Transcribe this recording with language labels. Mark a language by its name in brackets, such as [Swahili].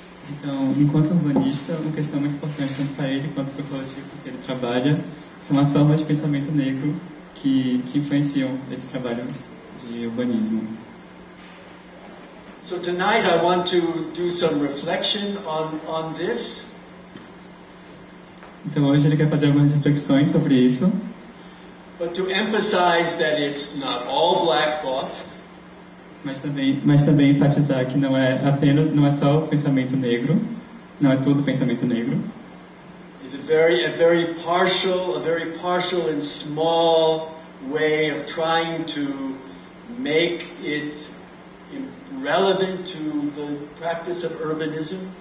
[Portuguese] Então, enquanto urbanista, uma questão muito importante tanto para ele quanto para o coletivo que ele trabalha são as formas de pensamento negro que influenciam esse trabalho de urbanismo. [English] So tonight I want to do some reflection on this. [Portuguese] Então hoje ele quer fazer algumas reflexões sobre isso. [English] But to emphasize that it's not all Black thought. [Portuguese] Mas também enfatizar que não é só o pensamento negro, não é tudo pensamento negro. [English] Is a very partial and small way of trying to make it relevant to the practice of urbanism.